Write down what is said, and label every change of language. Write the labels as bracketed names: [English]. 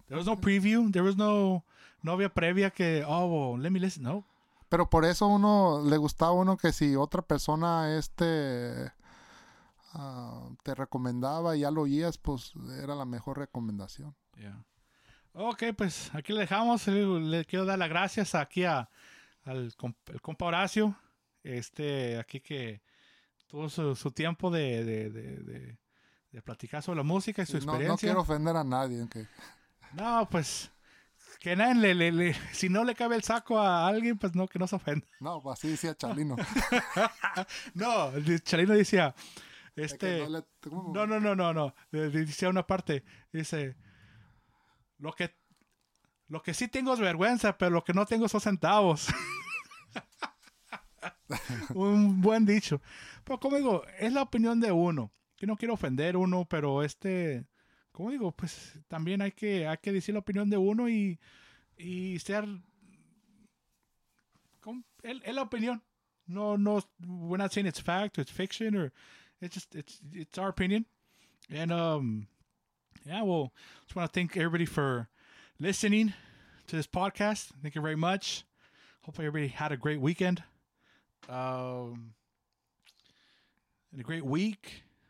[English] There was no preview, there was no [Spanish] había previa que, [English] oh, well, let me listen, no. [Spanish] Pero por eso uno le gustaba uno que si otra persona te recomendaba y ya lo oías, pues era la mejor recomendación. Yeah. Ok, pues aquí le dejamos. Le quiero dar las gracias aquí al compa Horacio. Aquí que tuvo su tiempo de platicar sobre la música y su experiencia. No quiero ofender a nadie. No, pues... Que nadie le si no le cabe el saco a alguien, pues no, que no se ofenda. No, pues así decía Chalino. No, Chalino decía, Este, no. Dice una parte, dice, lo que sí tengo es vergüenza, pero lo que no tengo son centavos. Un buen dicho. Pero como digo, es la opinión de uno. Que no quiero ofender uno, pero este, como digo, pues también hay que decir la opinión de uno y ser... Es la opinión. [English] No, we're not saying it's fact or it's fiction or it's our opinion. And just want to thank everybody for listening to this podcast. Thank you very much. Hopefully everybody had a great weekend. And a great week.